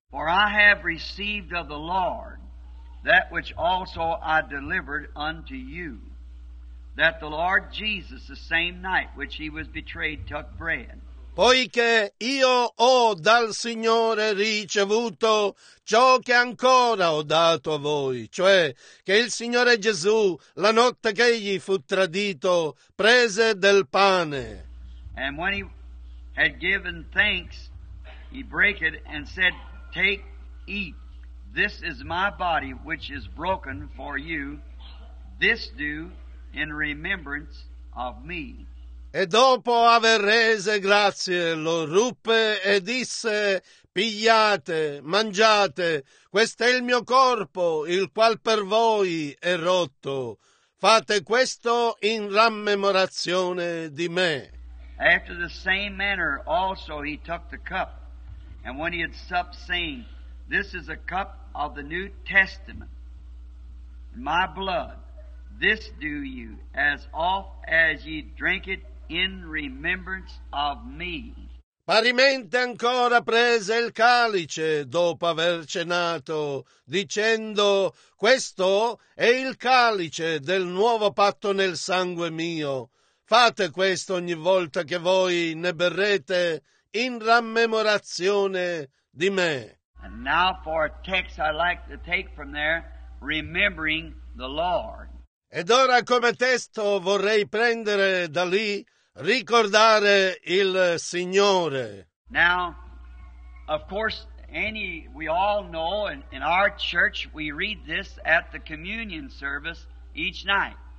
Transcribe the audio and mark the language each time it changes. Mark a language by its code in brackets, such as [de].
[en] For I have received of the Lord that which also I delivered unto you, that the Lord Jesus, the same night which he was betrayed, took bread. [it] Poiché io ho dal Signore ricevuto ciò che ancora ho dato a voi, cioè che il Signore Gesù, la notte che egli fu tradito, prese del pane. [en] And when he had given thanks, he break it and said, "Take, eat. This is my body which is broken for you. This do in remembrance of me." [it] E dopo aver rese grazie, lo ruppe e disse: "Pigliate, mangiate, questo è il mio corpo, il qual per voi è rotto. Fate questo in rammemorazione di me." [en] After the same manner also he took the cup, and when he had supped, saying, "This is a cup of the New Testament, my blood. This do you, as oft as ye drink it, in remembrance of me." [it] Parimente ancora prese il calice dopo aver cenato, dicendo: "Questo è il calice del nuovo patto nel sangue mio. Fate questo ogni volta che voi ne berrete in rammemorazione di me." [en] And now for a text I like to take from there, remembering the Lord. [it] Ed ora come testo vorrei prendere da lì, ricordare il Signore. [en] Now, of course, we all know in our church we read this at the communion service each night.